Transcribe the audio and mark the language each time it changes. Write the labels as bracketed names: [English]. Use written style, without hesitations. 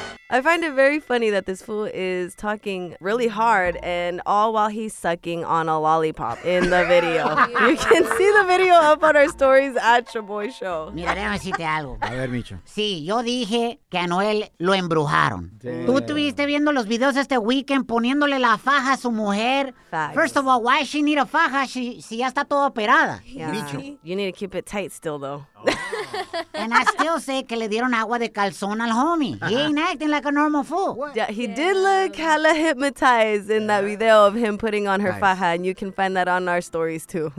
[English] I find it very funny that this fool is talking really hard and all while he's sucking on a lollipop in the video. You can see the video up on our stories at Your Boy Show. [Spanish] Mira, déjame decirte algo. A ver, Micho. Sí, yo dije que a Noel lo embrujaron. [English] Damn. [Spanish] Tú estuviste viendo los videos este weekend poniéndole la faja a su mujer. [English] Facts. First of all, why she need a faja [Spanish] si ya está toda operada? [English] Yeah. Micho. You need to keep it tight still, though. And I still say [Spanish] que le dieron agua de calzón al [English] homie. He ain't acting like a normal fool. What? Yeah, he did look hella hypnotized in that video of him putting on her faja, and you can find that on our stories too.